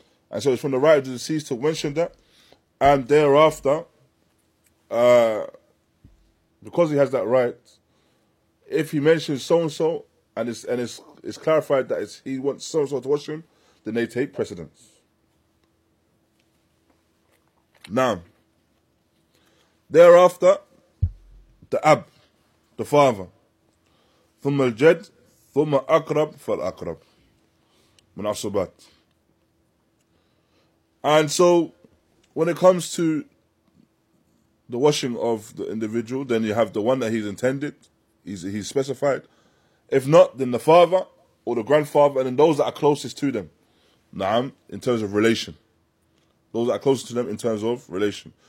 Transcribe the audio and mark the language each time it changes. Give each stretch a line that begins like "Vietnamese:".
English: And so it's from the right of the deceased to mention that, and thereafter, because he has that right, if he mentions so-and-so, and it's clarified that it's, he wants so-and-so to wash him, then they take precedence. Now, thereafter, the Ab, the father,
Arabic: ثم الجد ثم أقرب فالأقرب من الصبات.
English: And so, when it comes to the washing of the individual, then you have the one that he's intended, he's specified. If not, then the father or the grandfather, and then those that are closest to them. Na'am, in terms of relation. Those that are closer to them in terms of relation.